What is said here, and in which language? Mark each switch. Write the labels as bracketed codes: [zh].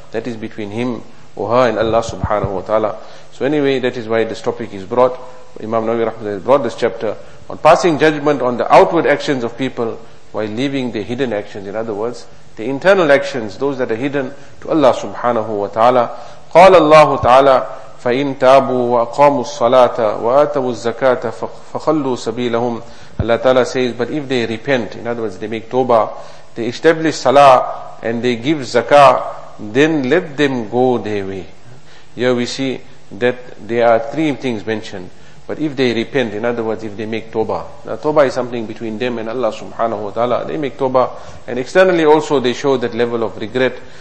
[en] That is between him or her and Allah subhanahu wa ta'ala. So anyway, that is why this topic is brought. Imam Nawawi rahmatullah brought this chapter on passing judgment on the outward actions of people while leaving the hidden actions. In other words, the internal actions, those that are hidden, to Allah subhanahu wa ta'ala. [ar] Qala Allah ta'ala, فَإِن تَابُوا وَأَقَامُوا الصَّلَاةَ وَآتَوُوا الزَّكَاةَ فَخَلُّوا سَبِيلَهُمْ. [en] Allah Ta'ala says, but if they repent, in other words, they make tawbah, they establish salah, and they give zakah, then let them go their way. Here we see that there are three things mentioned. But if they repent, in other words, if they make tawbah. Now tawbah is something between them and Allah subhanahu wa ta'ala. They make tawbah, and externally also they show that level of regret.